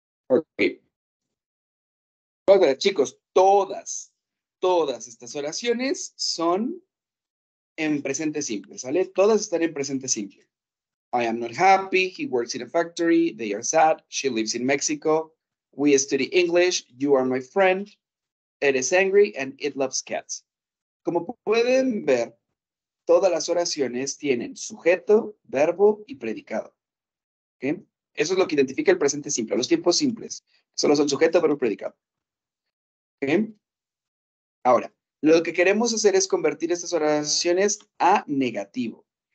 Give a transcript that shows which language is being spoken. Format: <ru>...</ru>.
<es>Ok. Vamos a ver, chicos, todas estas oraciones son en presente simple, ¿sale? Todas están en presente simple.</es> <en>I am not happy, he works in a factory, they are sad, she lives in Mexico, we study English, you are my friend, it is angry, and it loves cats.</en> <es>Como pueden ver, todas las oraciones tienen sujeto, verbo y predicado. ¿Ok? Eso es lo que identifica el presente simple, los tiempos simples. Solo son sujeto, verbo y predicado. ¿Ok? Ahora, lo que queremos hacer es convertir estas oraciones a negativo.</es>